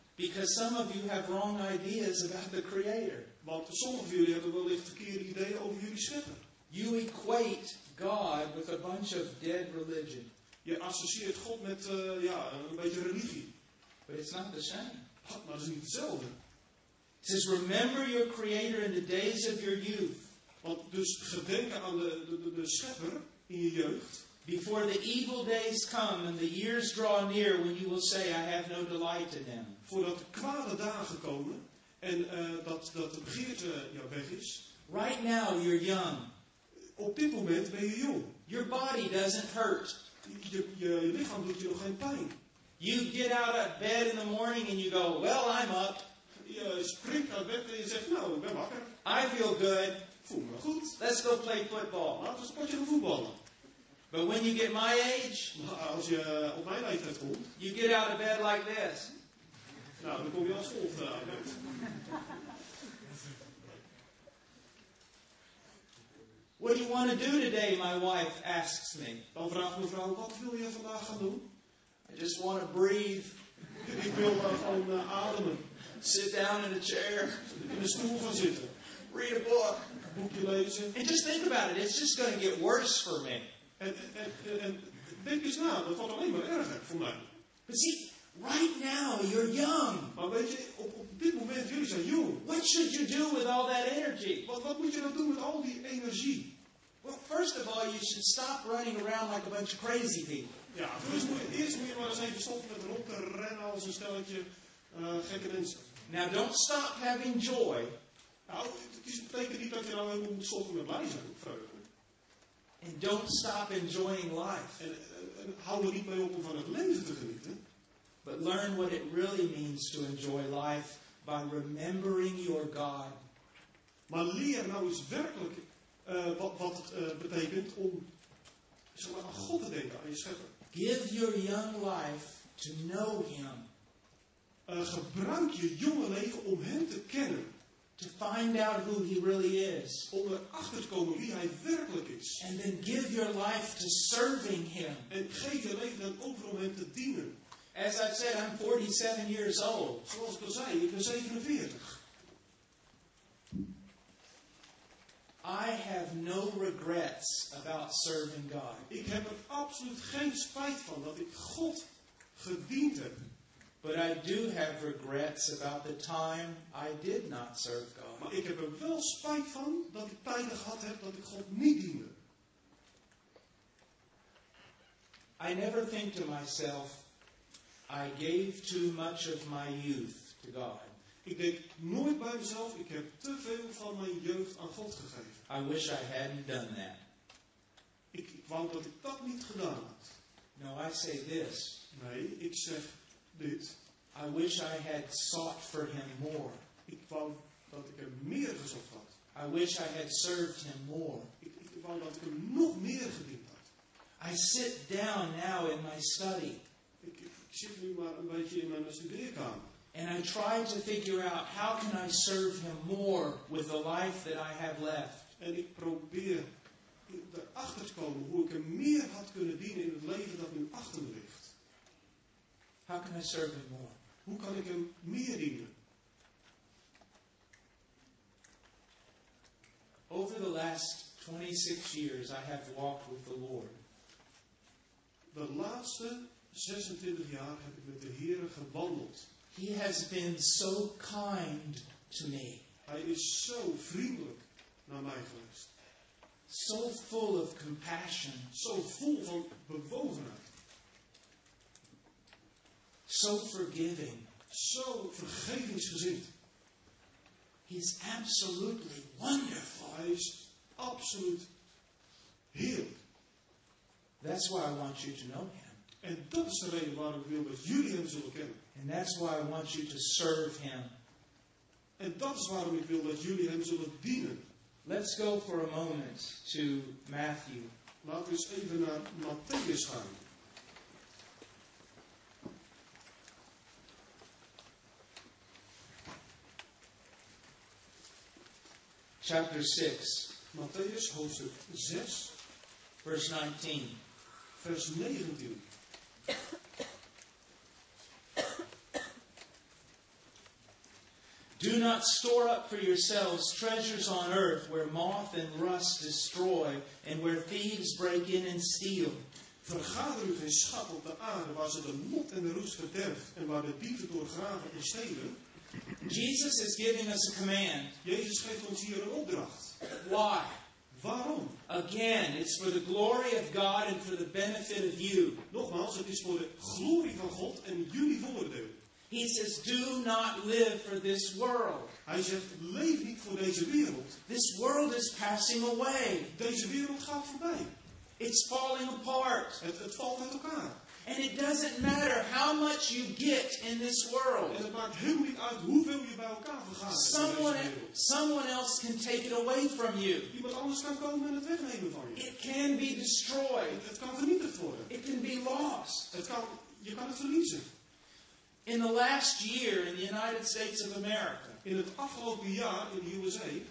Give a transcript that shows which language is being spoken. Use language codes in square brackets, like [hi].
[en] Because some of you have wrong ideas about the Creator. [nl] Want sommige van jullie hebben wellicht verkeerde ideeën over jullie schepper. [en] You equate God with a bunch of dead religion. [nl] Je associeert God met een beetje religie. [en] But it's not the same. [nl] Maar dat is niet hetzelfde. [en] It says, remember your Creator in the days of your youth. [nl] Want dus gedenken aan de schepper in je jeugd. [en] Before the evil days come and the years draw near when you will say I have no delight in them. [nl] Voordat de kwade dagen komen en dat de begeerte jouw weg is. [en] Right now you're young. [nl] Op dit moment ben je jong. [en] Your body doesn't hurt. [nl] Je lichaam doet je nog geen pijn. [en] You get out of bed in the morning and you go, well, I'm up. [nl] Je springt uit bed en je zegt, nou, ik ben wakker. [en] I feel good. [nl] Voel me goed. [en] Let's go play football. [nl] Laten we een potje gaan voetballen. [en] But when you get my age, [nl] als je op mijn leeftijd komt, [en] you get out of bed like this. [nl] Nou, dan kom je als volgt uit. [en] What do you want to do today, my wife asks me. [nl] Dan vraagt mevrouw, wat wil je vandaag gaan doen? [en] I just want to breathe. [nl] Ik wil gewoon ademen. [en] Sit down in a chair. [nl] In een stoel gaan zitten. [en] Read a book. [nl] Een boekje lezen. [en] And just think about it, it's just going to get worse for me. [nl] En denk eens na, dat valt alleen maar erger voor mij. [en] But see, right now you're young. [nl] Maar weet je, op dit moment jullie zijn jong. [en] What should you do with all that energy? [nl] Wat moet je dan doen met al die energie? [en] Well, first of all, you should stop running around like a bunch of crazy people. [nl] Ja, eerst moet je maar eens even stoppen met rond te rennen als een stelletje gekke mensen. [en] Now don't stop having joy. [nl] Nou, het is betekent niet dat je dan helemaal moet stoppen met blij zijn, vreugde. [en] And don't stop enjoying life. [nl] En hou er niet mee op om van het leven te genieten. [en] But learn what it really means to enjoy life by remembering your God. [nl] Maar leer nou eens werkelijk wat het betekent om zeg maar, aan God te denken, aan je schepper. [en] Give your young life to know Him. [nl] Gebruik je jonge leven om Hem te kennen. [en] To find out who He really is. [nl] Om erachter te komen wie Hij werkelijk is. [en] And then give your life to serving Him. [nl] En geef je leven dan over om Hem te dienen. [en] As I've said, I'm 47 years old. [nl] Zoals ik al zei, ik ben 47. [en] I have no regrets about serving God. [nl] Ik heb er absoluut geen spijt van dat ik God gediend heb. [en] But I do have regrets about the time I did not serve God. [nl] Maar ik heb er wel spijt van dat ik tijd gehad heb dat ik God niet diende. [en] I never think to myself, I gave too much of my youth to God. [nl] Ik denk nooit bij mezelf, ik heb te veel van mijn jeugd aan God gegeven. [en] I wish I hadn't done that. [nl] Ik wou dat ik dat niet gedaan had. [en] No, I say this. [nl] Nee, ik zeg dit. [en] I wish I had sought for Him more. [nl] Ik wou dat ik Hem meer gezocht had. [en] I wish I had served Him more. [nl] Ik wou dat ik Hem nog meer gediend had. [en] I sit down now in my study. [nl] Ik zit nu maar een beetje in mijn studeerkamer. [en] And I try to figure out how can I serve Him more with the life that I have left. [nl] En ik probeer erachter te komen hoe ik Hem meer had kunnen dienen in het leven dat nu achter me ligt. [en] How can I serve Him more? [nl] Hoe kan ik Hem meer dienen? [en] Over the last 26 years I have walked with the Lord. [nl] De laatste 26 jaar heb ik met de Heer gewandeld. [en] He has been so kind to me. [nl] Hij is zo vriendelijk naar mij geweest. [en] So full of compassion. [nl] Zo vol van bewogenheid. [en] So forgiving. [nl] Zo vergevingsgezind. [en] He's absolutely wonderful. [nl] Hij is absoluut heerlijk. [en] That's why I want you to know Him. [nl] En dat is de reden waarom ik wil dat jullie Hem zullen kennen. [en] And that's why I want you to serve Him. [nl] En dat is waarom ik wil dat jullie Hem zullen dienen. [en] Let's go for a moment to Matthew. [nl] Laten we eens even naar Matthäus gaan. [en] Chapter 6. [nl] Matthäus hoofdstuk 6. [en] Verse 19. [nl] Vers 19. [en] Do not store up for yourselves treasures on earth where moth and rust destroy and where thieves break in and steal. [nl] Vergader u geen schat op de aarde waar ze de moth en de roest verderft en waar de dieven doorgraven en stelen. [en] Jesus is giving us a command. [nl] Jezus geeft ons hier een opdracht. [en] Why? [nl] Waarom? [en] Again, it's for the glory of God and for the benefit of you. [nl] Nogmaals, het is voor de glorie van God en jullie voordeel. [en] He says, do not live for this world. [nl] Hij zegt, leef niet voor deze wereld. [en] This world is passing away. [nl] Deze wereld gaat voorbij. [en] It's falling apart. [nl] Het valt uit elkaar. [en] And it doesn't matter how much you get in this world. [nl] En het maakt helemaal niet uit hoeveel je bij elkaar vergaat. [en] Someone else can take it away from you. [nl] Iemand anders kan komen en het wegnemen van je. [en] It can be destroyed. [nl] Het kan vernietigd worden. [en] It can be lost. [nl] Je kan het verliezen. [en] In the last year in the United States of America. [nl] In het afgelopen jaar in de USA.